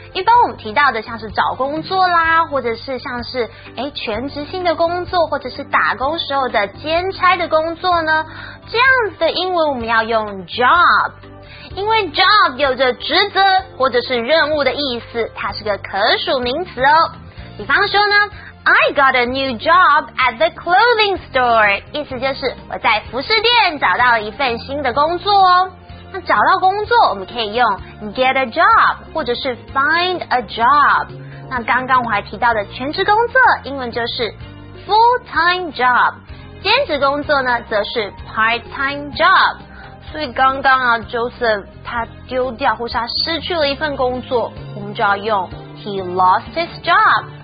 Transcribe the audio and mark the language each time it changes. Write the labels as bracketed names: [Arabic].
[Chinese] 一般我们提到的像是找工作啦，或者是像是全职性的工作，或者是打工时候的兼差的工作呢，这样子的英文我们要用 job， 因为 job 有着职责或者是任务的意思，它是个可数名词哦。比方说呢。 [English] I got a new job at the clothing store. [Chinese] 意思就是我在服饰店找到了一份新的工作哦。那找到工作我们可以用 [English] get a job [Chinese] 或者是 [English] find a job。 [Chinese] 那刚刚我还提到的全职工作英文就是 full-time job。兼职工作呢则是 part-time job。所以刚刚啊 ,Joseph 他丢掉或是他失去了一份工作我们就要用 [English] he lost his job。